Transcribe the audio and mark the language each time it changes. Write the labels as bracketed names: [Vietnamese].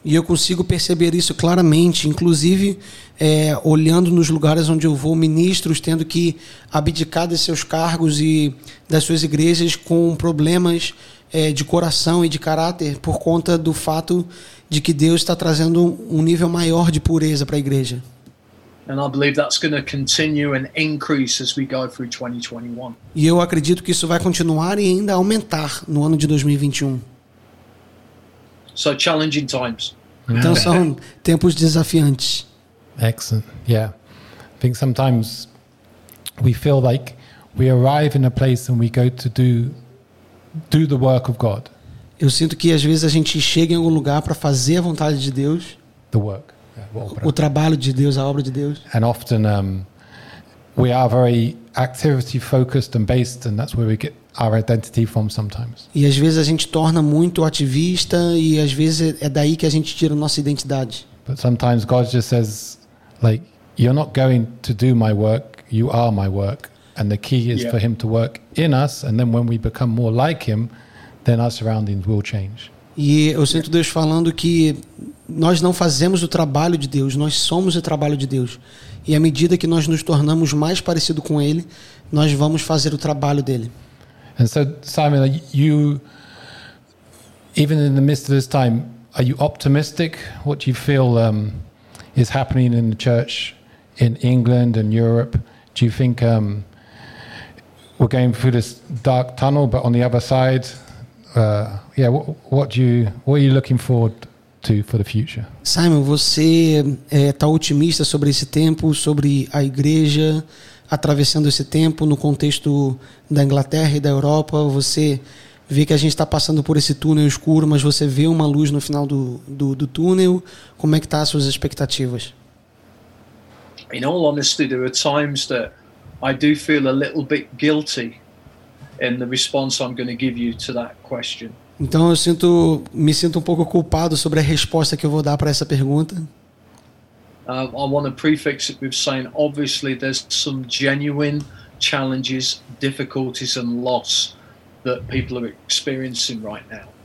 [Portuguese] E eu consigo perceber isso claramente, inclusive olhando nos lugares onde eu vou, ministros tendo que abdicar de seus cargos e das suas igrejas com problemas de coração e de caráter por conta do fato de que Deus está trazendo um nível maior de pureza para a igreja. [English] And I believe that's going to continue and increase as we go through 2021. [Portuguese] E eu acredito que isso vai continuar e ainda aumentar no ano de 2021. [English] So challenging times. [Portuguese] Então são tempos desafiantes. [English] Excellent. Yeah. I think sometimes we feel like we arrive in a place and we go to do the work of God. [Portuguese] Eu sinto que às vezes a gente chega em algum lugar para fazer a vontade de Deus. [English] The work. [Portuguese] O trabalho de Deus, a obra de Deus. [English] And often we are very activity focused and based, and that's where we get our identity from sometimes. [Portuguese] E às vezes a gente torna muito ativista e às vezes é daí que a gente tira a nossa identidade. [English] But sometimes God just says, like, you're not going to do my work, you are my work. And the key is for him to work in us, and then when we become more like him, then our surroundings will change. [Portuguese] E eu sinto Deus falando que nós não fazemos o trabalho de Deus, nós somos o trabalho de Deus. E à medida que nós nos tornamos mais parecido com Ele, nós vamos fazer o trabalho dEle. [English] And so, Simon, you, even in the midst of this time, are you optimistic? What do you feel is happening in the church in England and Europe? Do you think we're going through this dark tunnel, but on the other side... what are you looking forward to for the future? [Portuguese] Simon, você está otimista sobre esse tempo, sobre a igreja atravessando esse tempo no contexto da Inglaterra e da Europa? Você vê que a gente está passando por esse túnel escuro, mas você vê uma luz no final do túnel? Como é que tá as suas expectativas? [English] In all honesty, there are times that I do feel a little bit guilty in the response I'm going to give you to that question. [Portuguese] Então eu me sinto um pouco culpado sobre a resposta que eu vou dar para essa pergunta. [English] I want to prefix it with saying obviously there's some genuine challenges, difficulties and loss that people are experiencing right now.